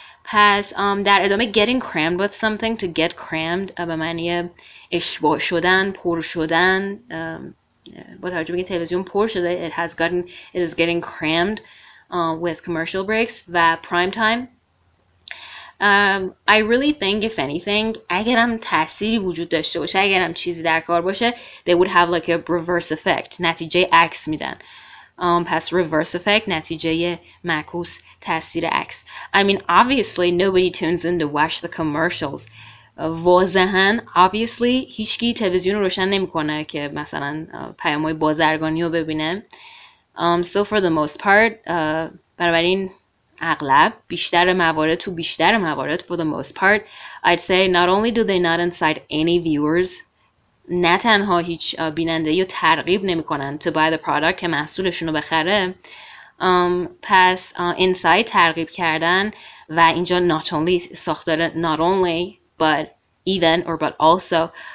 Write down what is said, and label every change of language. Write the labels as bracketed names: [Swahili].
[Persian] پس در ادامه [English] getting crammed with something، to get crammed [Persian] به معنی اشباع شدن، پر شدن، با توجه به تلویزیون پر شده، [English] it is getting crammed with commercial breaks [Persian] و prime time. [English] I really think if anything, [Persian] اگرم تأثیری وجود داشته باشه، اگرم چیزی در کار باشه، [English] they would have like a reverse effect، [Persian] نتیجه عکس میدن. پس reverse effect نتیجه معکوس تأثیر عکس. [English] I mean obviously nobody tunes in to watch the commercials. [Persian] واضحاً obviously هیچکی تلویزیون رو روشن نمیکنه که مثلا پیامهای بازرگانی رو ببینه. [English] So for the most part [Persian] بنابراین اغلب بیشتر موارد تو بیشتر موارد [English] for the most part I'd say not only do they not incite any viewers [Persian] نه تنها هیچ بیننده یا ترغیب نمی کنن [English] to buy the product [Persian] که محصولشون رو بخره پس [English] incite [Persian] ترغیب کردن و اینجا [English] not only ساختاره not only but even or but also